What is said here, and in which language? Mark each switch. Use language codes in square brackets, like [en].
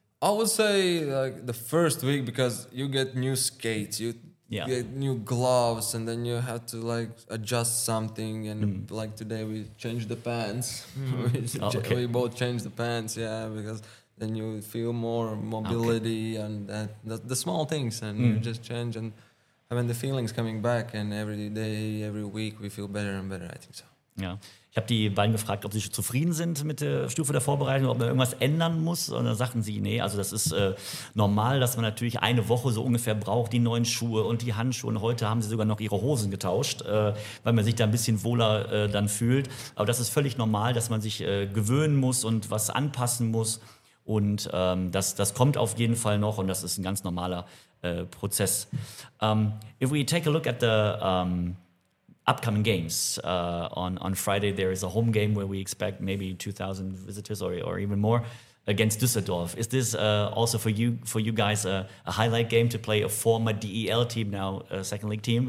[en] I would say like the first week, because you get new skates, you get new gloves, and then you have to like adjust something, and like today we changed the pants. We both changed the pants, yeah, because then you feel more mobility and that the small things, and you just change, and I mean the feelings coming back, and every day, every week we feel better and better, I think so. [de] Ja, ich habe die beiden gefragt, ob sie schon zufrieden sind mit der Stufe der Vorbereitung, ob man irgendwas ändern muss. Und dann sagten sie, nee, also das ist normal, dass man natürlich eine Woche so ungefähr braucht, die neuen Schuhe und die Handschuhe. Und heute haben sie sogar noch ihre Hosen getauscht, weil man sich da ein bisschen wohler dann fühlt. Aber das ist völlig normal, dass man sich gewöhnen muss und was anpassen muss. Und das kommt auf jeden Fall noch, und das ist ein ganz normaler Prozess. [en] If we take a look at the upcoming games, on Friday there is a home game where we expect maybe 2,000 visitors or even more against Düsseldorf. Is this also for you guys a highlight game to play a former DEL team, now a second league team?